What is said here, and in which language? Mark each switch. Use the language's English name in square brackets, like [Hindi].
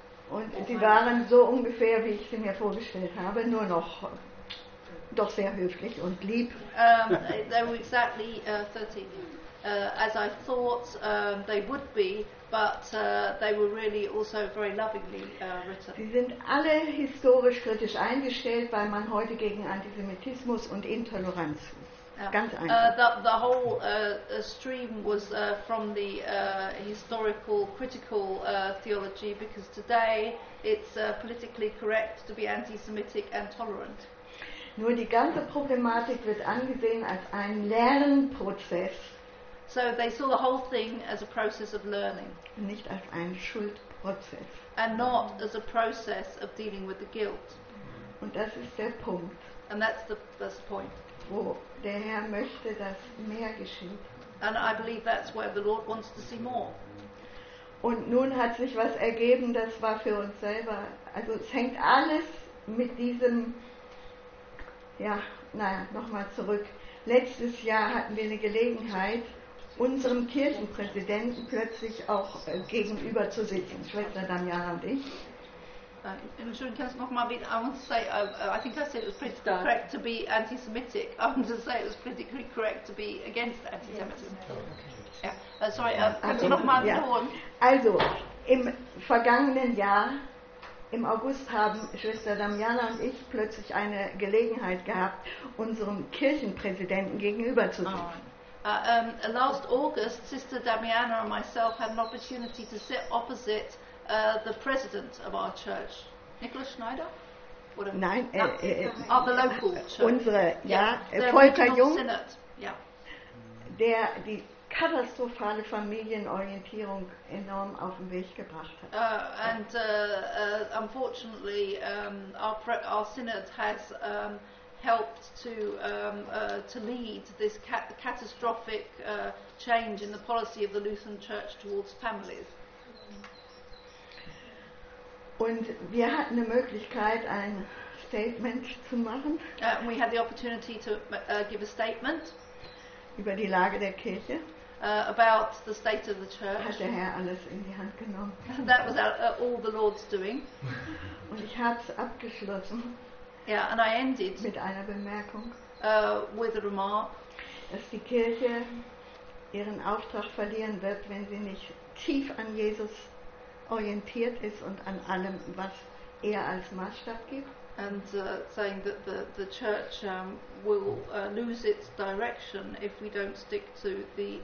[German] Und die waren so ungefähr, wie ich sie mir vorgestellt habe, nur noch doch sehr höflich und lieb. [English] They were exactly 13, as I thought they would be, but they were really also very lovingly written. [German] Sie sind alle historisch kritisch eingestellt, weil man heute gegen Antisemitismus und Intoleranz ist. Ganz einfach. [English] The whole stream was from the historical critical theology, because today it's politically correct to be anti-Semitic and tolerant. [German] Nur die ganze Problematik wird angesehen als ein Lernprozess. [English] So they saw the whole thing as a process of learning. [German] Nicht als ein Schuldprozess. [English] And not as a process of dealing with the guilt. [German] Und das ist der Punkt. [English] And that's the point. [German] Wo der Herr möchte, dass mehr geschieht. [English] And I believe that's where the Lord wants to see more. [German] Und nun hat sich was ergeben, das war für uns selber. Also es hängt alles mit diesem. Ja, naja, nochmal zurück. Letztes Jahr hatten wir eine Gelegenheit, unserem Kirchenpräsidenten plötzlich auch gegenüber zu sitzen, Schwester Damiana und ich. Entschuldigung, kannst du nochmal wieder, [English] I want to say, I think I said it was politically correct to be anti-Semitic. I want to say it was politically correct to be against anti-Semitism. [German] Sorry, kannst du nochmal wiederholen? Also, im vergangenen Jahr, im August, haben Schwester Damiana und ich plötzlich eine Gelegenheit gehabt, unserem Kirchenpräsidenten gegenüber zu sitzen. [English] Last August, Sister Damiana and myself had an opportunity to sit opposite the president of our church, Nicholas Schneider? [German] Nein, [English] the local church. [German] Unsere, ja, Volker Jung, der die katastrophale Familienorientierung enorm auf den Weg gebracht hat. [English] Unfortunately, our synod has helped to lead this catastrophic change in the policy of the Lutheran Church towards families. [German] Und wir hatten die Möglichkeit, ein Statement zu machen. [English] We had the opportunity to give a statement [German] über die Lage der Kirche. [English] About the state of the church. [German] Hat der Herr alles in die Hand genommen. [English] That was all the Lord's doing. [German] Und ich habe es abgeschlossen. [English] Yeah, and I ended [German] mit einer Bemerkung. [English] With a remark, [German] dass die Kirche ihren Auftrag verlieren wird, wenn sie nicht tief an Jesus orientiert ist und an allem, was er als Maßstab gibt. [English] And saying that the church will lose its direction if we don't stick to the